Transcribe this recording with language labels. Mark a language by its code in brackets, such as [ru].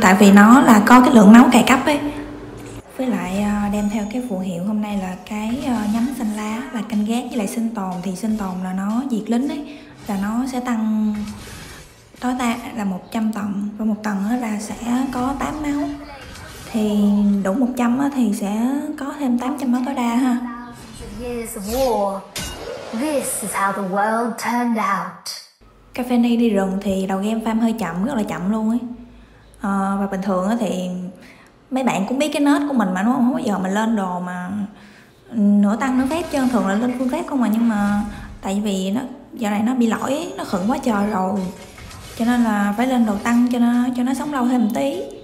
[vi] Tại vì nó là có cái lượng máu cày cấp ấy. Với lại đem theo cái phù hiệu hôm nay là cái nhánh xanh lá. Là canh gác với lại sinh tồn. Thì sinh tồn là nó diệt lính ấy. Là nó sẽ tăng tối đa là 100 tầng. Và một tầng là sẽ có 8 máu. Thì đủ 100 thì sẽ có thêm 800 máu tối đa ha. [en] This is how the world turned out. [vi] Caffeine đi rừng thì đầu game farm hơi chậm, rất là chậm luôn ấy. Và bình thường thì mấy bạn cũng biết cái nết của mình mà, đúng không? Không bao giờ mình lên đồ mà nửa tăng nửa phép chứ, thường là lên full phép không mà. Nhưng mà tại vì nó giờ này nó bị lỗi, nó khựng quá trời rồi, cho nên là phải lên đồ tăng cho nó sống lâu thêm một tí.